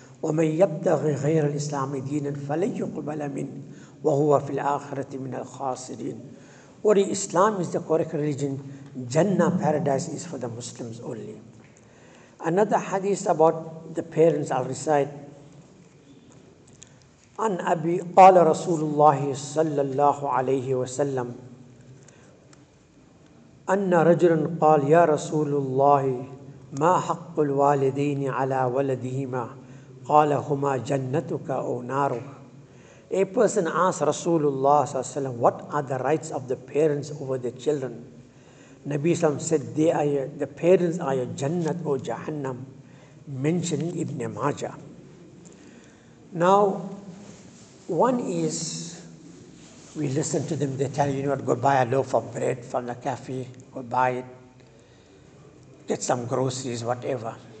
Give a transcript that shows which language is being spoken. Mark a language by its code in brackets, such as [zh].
[ar] وَمَنْ يَبْتَغِ غَيْرَ الْإِسْلَامِ دِينًا فَلَنْ يُقْبَلَ مِنْهُ وَهُوَ فِي الْآخِرَةِ مِنَ الْخَاسِرِينَ. [en] What Islam is the correct religion, Jannah, paradise is for the Muslims only. Another hadith about the parents I'll recite. [ar] عن أبي قال رسول الله صلى الله عليه وسلم أن رجلا قال يا رسول الله ما حق الوالدين على ولدهما قَالَهُمَا جَنَّتُكَ أَوْ نَارُكَ. [en] A person asked Rasulullah ﷺ, what are the rights of the parents over their children? Nabi ﷺ said, the parents are your Jannat or Jahannam, mentioned Ibn Majah. Now, one is, we listen to them, they tell you, you know what, go buy a loaf of bread from the cafe, go buy it, get some groceries, whatever.